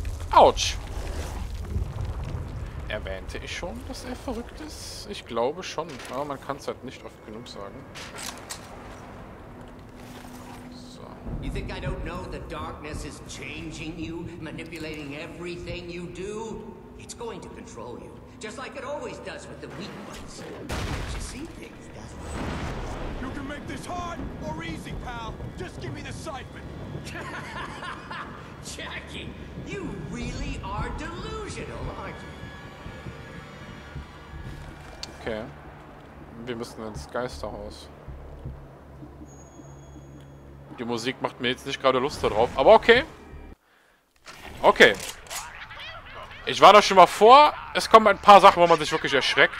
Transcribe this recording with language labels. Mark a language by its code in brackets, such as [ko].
[de] Autsch! Erwähnte ich schon, dass er verrückt ist? Ich glaube schon, aber man kann es halt nicht oft genug sagen. So. [en] You think I don't know the darkness is changing you, manipulating everything you do? It's going to control you, just like it always does with the weak ones. But you see things, doesn't it? You can make this hard or easy, pal. Just give me the siphon. Jackie, you really are delusional, aren't you? Okay. [de] Wir müssen ins Geisterhaus. Die Musik macht mir jetzt nicht gerade Lust darauf, aber okay. Okay. Ich war da schon mal vor. Es kommen ein paar Sachen, wo man sich wirklich erschreckt.